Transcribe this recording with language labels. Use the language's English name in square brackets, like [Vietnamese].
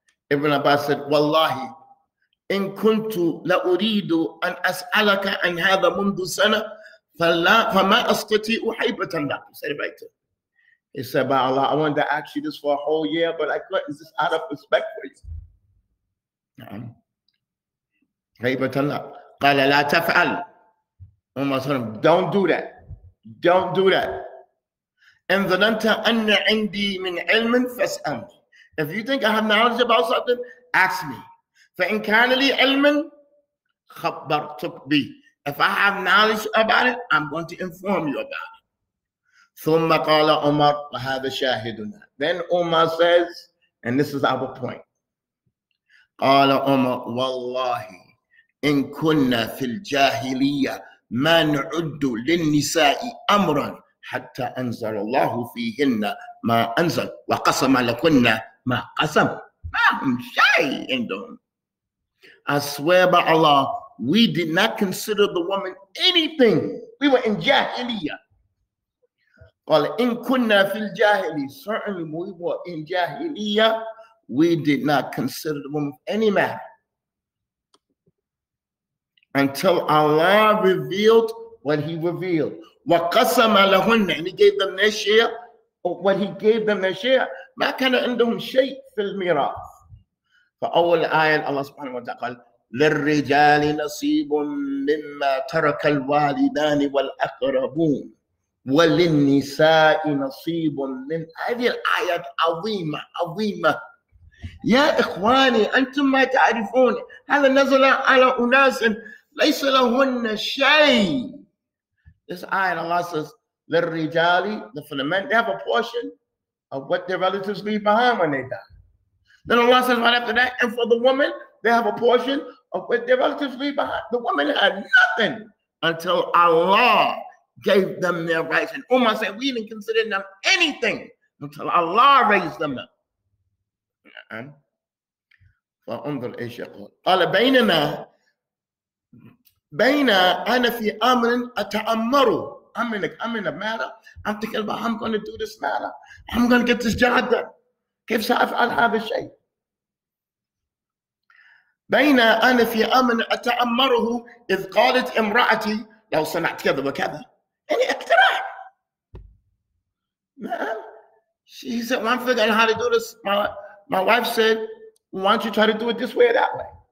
[English] Ibn Abbas said [Arabic] والله إن كنت لا أريد أن أسألك عن هذا منذ سنة فما أستطيع حيبة لك. [English] He said right to him. He said, by Allah, I wanted to ask you this for a whole year, but I couldn't. It's just out of respect for you. [Arabic] حيبة لك. قال لا تفعل. [English] Umar said, don't do that. Don't do that. [Arabic] إن ظننت أن عندي من علم فاسألني. [English] If you think I have knowledge about something, ask me. [Arabic] فإن كان لي علم خبرتك بي. [English] If I have knowledge about it, I'm going to inform you about it. [Arabic] ثم قال عمر وهذا شاهدنا. [English] Then Umar says, and this is our point. [Arabic] قال عمر والله إن كنا في الجاهلية ما نعد للنساء أمرا حتى أنزل الله فيهن ما أنزل وقسم لكنا ما قسم ما هم شيء عندهم. [English] I swear by Allah, we did not consider the woman anything. We were in jahiliya. [Arabic] قال إن كنا في الجاهلية. [English] Certainly we were in jahiliya. We did not consider the woman any matter. Until Allah revealed what he revealed. [Arabic] وقسم لهن. [English] And he gave them their share. When he gave them their share, [Arabic] ما كان عندهم شيء في الميراث. فأول آية الله سبحانه وتعالى للرجال نصيب مما ترك الوالدان والأقربون وللنساء نصيب من هذه الآية عظيمة عظيمة. يا إخواني أنتم ما تعرفون هذا نزل على أناس ليس لهن شيء. [English] This آية الله says للرجال, for the men, they have a portion. of what their relatives leave behind when they die. Then Allah says right after that, and for the woman, they have a portion of what their relatives leave behind. The woman had nothing until Allah gave them their rights. And Umar said, we didn't consider them anything until Allah raised them up. [Arabic] فانظر ايش يقول. قال بين انا في امر اتامر. [English] I'm in a matter. I'm thinking about how I'm going to do this matter. I'm going to get this job done. [Arabic] كيف سافعل هذا الشيء. بين انا في امر اتامره اذ قالت امراتي لو صنعت كذا وكذا. يعني اقتراح. نعم. [English] She said, well, I'm figuring how to do this. My wife said, why don't you try to do it this way or that way?